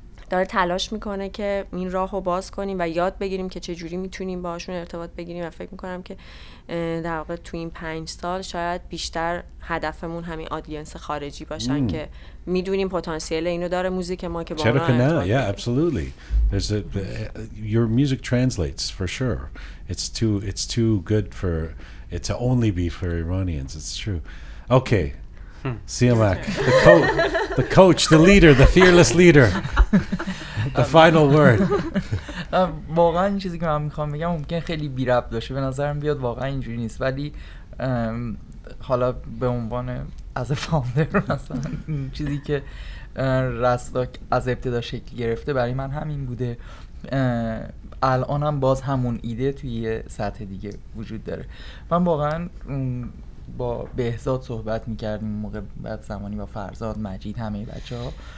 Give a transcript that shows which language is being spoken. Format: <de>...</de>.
<fa>داره تلاش میکنه که این راه رو باز کنیم و یاد بگیریم که چجوری میتونیم باشون ارتباط بگیریم و فکر میکنم که در واقع توی این 5 سال شاید بیشتر هدفمون همین آدینس خارجی باشن که میدونیم پتانسیل اینو داره موزیک ما که با چرا که نه</fa> <en>yeah absolutely there's a your music translates for sure it's too good for it to only be for Iranians it's true okay Siamak the coach the leader the fearless leader the final word</en> <fa>واقعا چیزی که من میخوام بگم ممکن خیلی بی ربط باشه به نظرم بیاد واقعا اینجوری نیست ولی حالا به عنوان از فاوندر مثلا چیزی که رستاک از ابتدا شکل گرفته برای من همین بوده الان هم باز همون ایده توی یه سطح دیگه وجود داره من واقعا با بهزاد صحبت میکردم موقع بعد زمانی با فرزاد مجید همه بچه ها</fa>